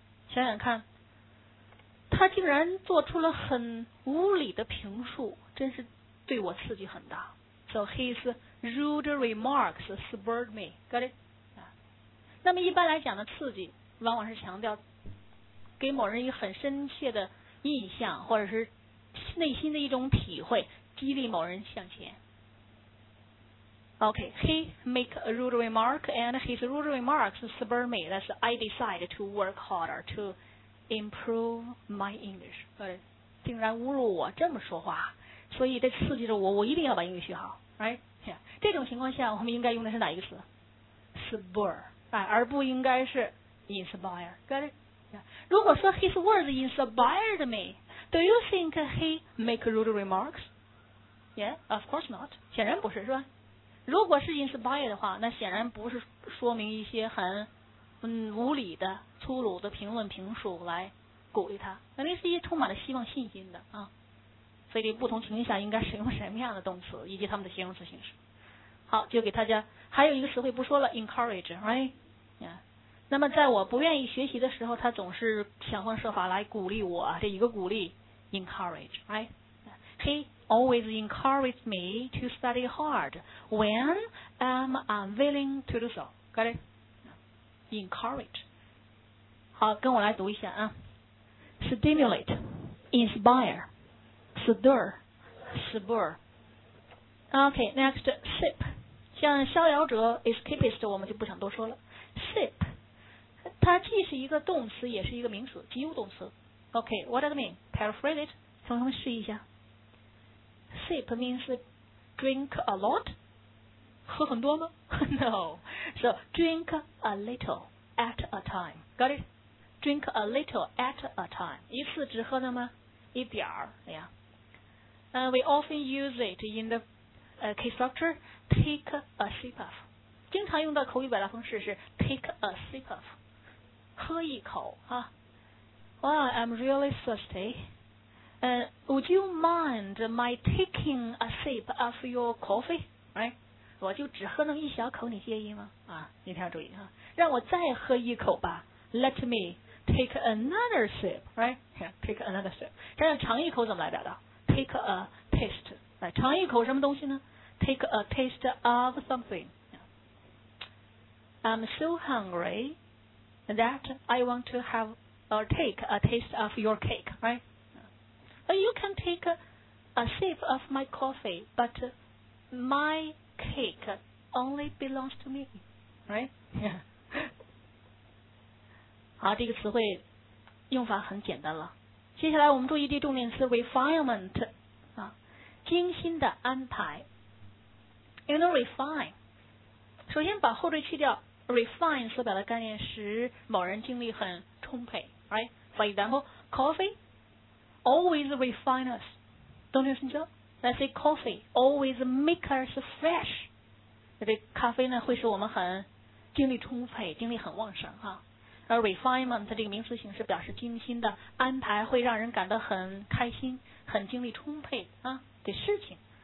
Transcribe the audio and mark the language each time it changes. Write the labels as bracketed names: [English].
[Chinese] 想想看，他竟然做出了很无理的评述，真是对我刺激很大。 [English] So his rude remarks spurred me. Got it? [Chinese] 那么一般来讲的刺激往往是强调给某人一个很深切的印象，或者是内心的一种体会，激励某人向前。 [English] OK, he make a rude remark and his rude remarks spurred me. That's I decide to work harder to improve my English. Got it? [Chinese] 竟然侮辱我这么说话，所以这刺激着我，我一定要把英语学好 ，right？ [English] Yeah. [Chinese] 这种情况下，我们应该用的是哪一个词 ？Spur， 哎，而不应该是 inspire。 [English] Got it？ Yeah. 如果说 his words inspired me， do you think he make rude remarks？ Yeah， of course not。 [Chinese] 显然不是，是吧？如果是 inspire 的话，那显然不是说明一些很无理的、粗鲁的评论评述来鼓励他，肯定是一些充满了希望、信心的啊。所以不同情境下应该使用什么样的动词以及他们的形容词形式。好，就给大家还有一个词汇不说了， encourage， right？ [English] Yeah. [Chinese] 那么在我不愿意学习的时候，他总是想方设法来鼓励我，这一个鼓励 encourage， right？ [English] He always encouraged me to study hard when I'm unwilling to do so. Got it? Encourage. [Chinese] 好，跟我来读一下啊。 [English] Stimulate， inspireStir, spur. Okay, next, sip. [Chinese] 像逍遥者 escapist 我们就不想多说了。Sip, 它既是一个动词，也是一个名词，及物动词。 [English] Okay, what does it mean? Paraphrase it. [Chinese] 同学们试一下。 [English] Sip means drink a lot. [Chinese] 喝很多吗？ [English] No. So drink a little at a time. Got it? Drink a little at a time. [Chinese] 一次只喝了吗？一点儿，哎呀。 [English] We often use it in the case structure, take a sip of. [Chinese] 经常用到口语表达方式是 take a sip of. 喝一口啊。 [English] Well, I'm really thirsty. Would you mind my taking a sip of your coffee? Right? [Chinese] 我就只喝那么一小口，你介意吗？啊，一定要注意啊。让我再喝一口吧。 [English] Let me take another sip. Right? Yeah, take another sip. [Chinese] 这样尝一口怎么来表达？ [English] Take a taste， [Chinese] 来尝一口什么东西呢 [English] ？Take a taste of something. I'm so hungry that I want to have or take a taste of your cake, right? You can take a sip of my coffee, but my cake only belongs to me, right? [Chinese] 好，这个词汇用法很简单了。接下来我们注意的重点词 refinement 啊，精心的安排。 You know refine， 首先把后缀去掉 ，refine 所表达的概念是某人精力很充沛 ，right？ [English] For example， coffee always refine us， don't you think so？ Let's say coffee always make us fresh， [Chinese] 这咖啡呢会使我们很精力充沛，精力很旺盛哈。而 refinement 这个名词形式表示精心的安排，会让人感到很开心、很精力充沛啊的事情。